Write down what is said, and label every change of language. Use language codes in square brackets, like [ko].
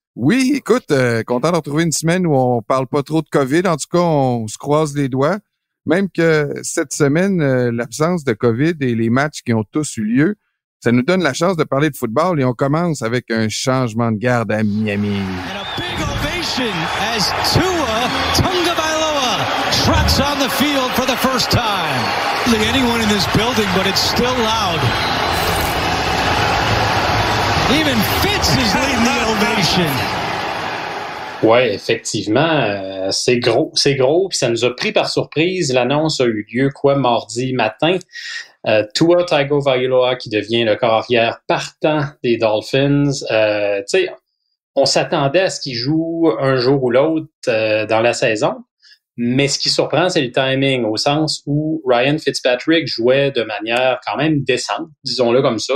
[fr] Oui, écoute, content de retrouver une semaine où on parle pas trop de COVID. En tout cas, on se croise les doigts. Même que cette semaine, l'absence de COVID et les matchs qui ont tous eu lieu, ça nous donne la chance de parler de football et on commence avec un changement de garde à Miami. [en] And a big ovation as Tua Tagovailoa trots on the field for the first time. Like anyone in this building, but it's still loud. Even Fitz is leading the ovation. [fr] Oui, effectivement, c'est gros, puis ça nous a pris par surprise. L'annonce a eu lieu quoi mardi matin. Tua Tagovailoa qui devient le corps arrière partant des Dolphins. Tu sais, on s'attendait à ce qu'il joue un jour ou l'autre dans la saison, mais ce qui surprend, c'est le timing, au sens où Ryan Fitzpatrick jouait de manière quand même décente, disons-le comme ça.